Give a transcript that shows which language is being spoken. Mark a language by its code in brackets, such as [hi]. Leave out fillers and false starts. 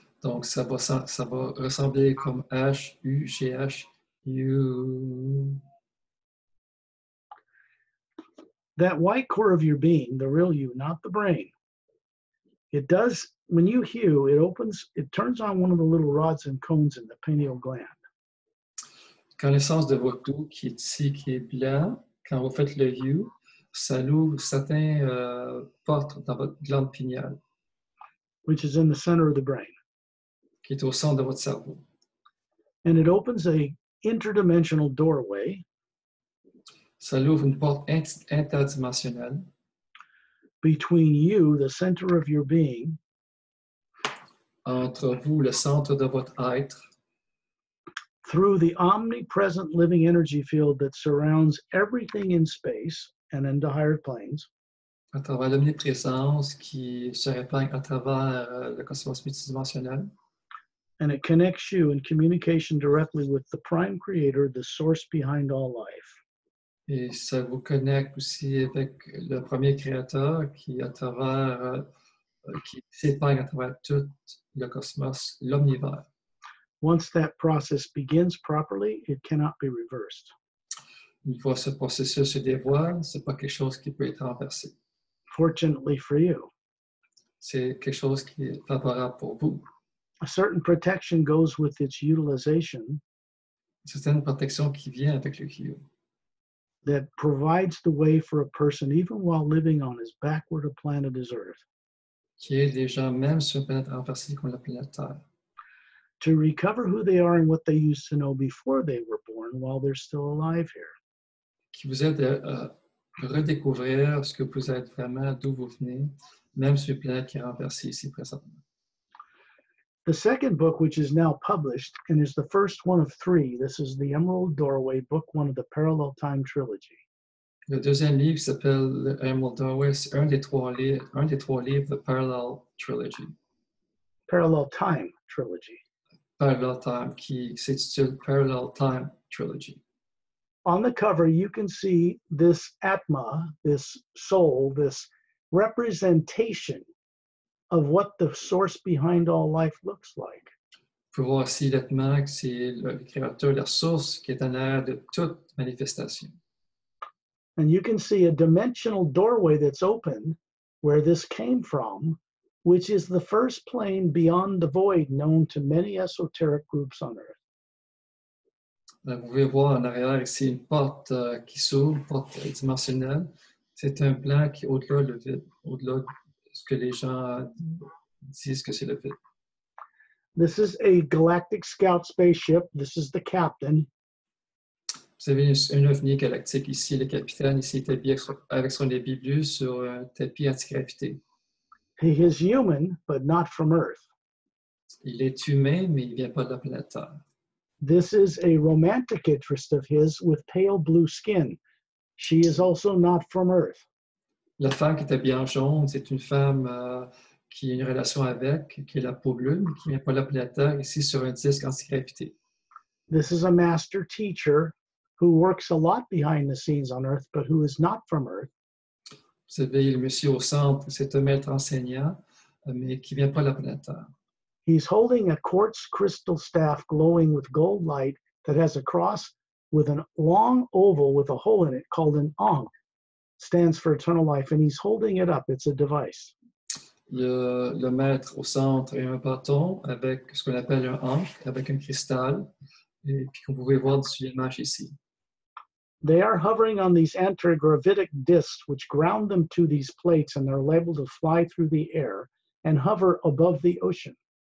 [fr] Donc, ça va ressembler comme H, U, G, H, U. [en] That white core of your being, the real you, not the brain, it does when you hew, it opens, it turns on one of the little rods and cones in the pineal gland. [fr] Connaissance de votre dos qui est ici, qui est blanc, quand vous faites le hew, ça ouvre certains portes dans votre glande pinéale. [en] Which is in the center of the brain. [fr] Qui est au centre de votre cerveau. [en] And it opens a interdimensional doorway. [fr] Ça ouvre une porte interdimensionnelle. [en] Between you, the center of your being. [fr] Entre vous, le centre de votre être. [en] Through the omnipresent living energy field that surrounds everything in space and into higher planes. [fr] À travers l'omniprésence qui se répand à travers le cosmos multidimensionnel. [en] And it connects you in communication directly with the prime creator, the source behind all life. [fr] Et ça vous connecte aussi avec le premier créateur qui à travers qui s'épargne à travers tout le cosmos, l'omnivers. [en] Once that process begins properly, it cannot be reversed. [fr] Une fois ce processus se dévoile, c'est pas quelque chose qui peut être renversé. [en] Fortunately for you. [fr] C'est quelque chose qui est favorable pour vous. [en] A certain protection goes with its utilization. [fr] Une certaine protection qui vient avec le hew. [en] That provides the way for a person, even while living on as backward a planet as Earth. [fr] Qui est déjà même sur une planète renversée comme la planète Terre. [en] To recover who they are and what they used to know before they were born, while they're still alive here. [fr] Qui vous aide à redécouvrir ce que vous êtes vraiment, d'où vous venez, même sur une planète qui est renversée ici présentement. [en] The second book, which is now published, and is the first one of three, this is the Emerald Doorway, book one of the Parallel Time Trilogy. [fr] Le deuxième livre s'appelle The Emerald Doorway, un des trois livres, The Parallel Trilogy. [en] Parallel Time Trilogy. [fr] Parallel Time, qui s'intitule Parallel Time Trilogy. [en] On the cover, you can see this Atma, this soul, this representation of what the source behind all life looks like. [fr] Pour voir si l'Atma, c'est le créateur, la source qui est en arrière de toute manifestation. [en] And you can see a dimensional doorway that's open where this came from, which is the first plane beyond the void known to many esoteric groups on Earth. [fr] Vous pouvez voir en arrière ici une porte qui s'ouvre, une porte dimensionnelle. C'est un plan qui est au-delà du vide, au-delà de ce que les gens disent que c'est le vide. [en] This is a galactic scout spaceship. This is the captain. [fr] Vous avez un ovni galactique ici, le capitaine, ici, tapis avec son débit bleu sur un tapis anti-gravité. [en] He is human, but not from Earth. [fr] Il est humain, mais il ne vient pas de la planète Terre. [en] This is a romantic interest of his with pale blue skin. She is also not from Earth. [fr] La femme qui est habillée en jaune, c'est une femme qui a une relation avec, qui a la peau bleue, mais qui ne vient pas de la planète Terre, ici sur un disque anti-gravité. [en] This is a master teacher who works a lot behind the scenes on Earth, but who is not from Earth. [fr] Vous savez, le monsieur au centre, c'est un maître enseignant, mais qui ne vient pas de la planète Terre. [en] He's holding a quartz crystal staff glowing with gold light that has a cross with a long oval with a hole in it called an Ankh. Stands for eternal life, and he's holding it up. It's a device. [fr] Le maître au centre a un bâton avec ce qu'on appelle un Ankh, avec un cristal, et puis vous pouvez voir dessus l'image ici. [en] They are hovering on these antigravitic discs which ground them to these plates, and they're able to fly through the air and hover above the ocean.